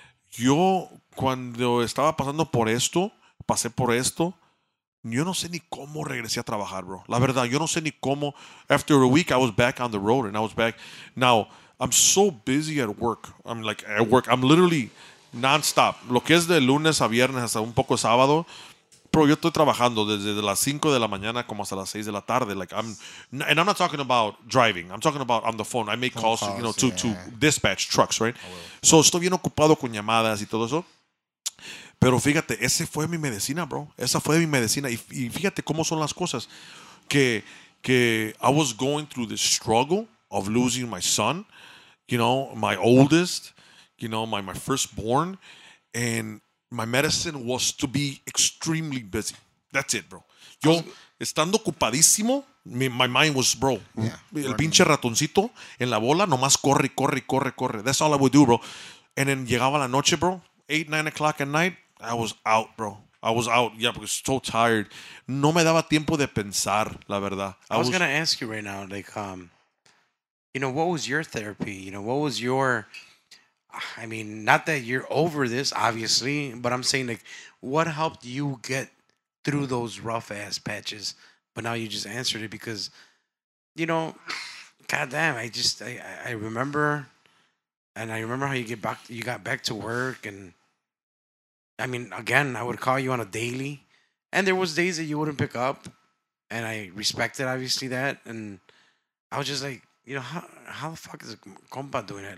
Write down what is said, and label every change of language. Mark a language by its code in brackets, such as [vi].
[es] Yo, cuando estaba pasando por esto, pasé por esto, yo no sé ni cómo regresé a trabajar, bro. La verdad, yo no sé ni cómo. [en] After a week, I was back on the road, and I was back. Now, I'm so busy at work. I'm like, at work. I'm literally nonstop. [es] Lo que es de lunes a viernes hasta un poco sábado, bro, yo estoy trabajando desde las 5 de la mañana como hasta las 6 de la tarde. [en] Like, and I'm not talking about driving. I'm talking about on the phone. I make calls, you know, to dispatch trucks, right? [es] So, estoy bien ocupado con llamadas y todo eso. Pero fíjate, esa fue mi medicina, bro. Esa fue mi medicina. Y fíjate cómo son las cosas. [en] Que I was going through the struggle of losing my son, you know, my oldest, you know, my firstborn. And my medicine was to be extremely busy. That's it, bro. [es] Yo, estando ocupadísimo, [en] my mind was, bro, yeah, [es] el pinche ratoncito en la bola, nomás corre, corre, corre, corre. [en] That's all I would do, bro. And then [es] llegaba la noche, [en] bro, 8, 9 o'clock at night, I was out, bro. I was out. Yeah, I was so tired. [es] No me daba tiempo de pensar, la verdad. [en] I was going to ask you right now, like, you know, what was your therapy? You know, what was your, I mean, not that you're over this, obviously, but I'm saying, like, what helped you get through those rough-ass patches? But now you just answered it because, you know, goddamn, I remember, and I remember how you got back to work, and I mean, again, I would call you on a daily, and there was days that you wouldn't pick up, and I respected, obviously, that, and I was just like, you know, how the fuck is a compa doing it?